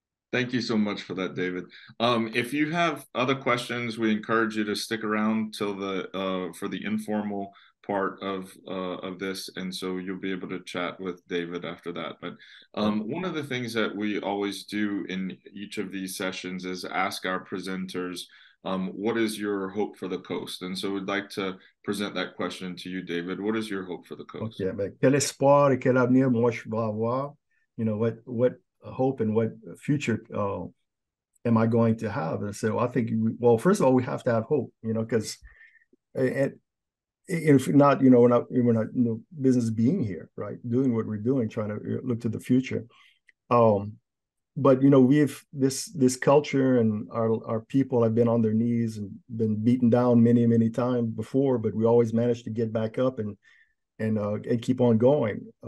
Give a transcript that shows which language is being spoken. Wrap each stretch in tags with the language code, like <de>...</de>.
<en>Thank you so much for that, David. If you have other questions, we encourage you to stick around till the for the informal part of this, and so you'll be able to chat with David after that. But one of the things that we always do in each of these sessions is ask our presenters, what is your hope for the coast? And so we'd like to present that question to you, David. What is your hope for the coast? Okay, but</en> <fr>quel espoir et quel avenir moi je vais avoir?</fr> <en>You know, what hope and what future am I going to have? And so I think, first of all, we have to have hope, you know, because if not, you know, we're not in the business being here, right? Doing what we're doing, trying to look to the future. But, you know, we have this culture and our people have been on their knees and been beaten down many, many times before, but we always managed to get back up and keep on going.</en>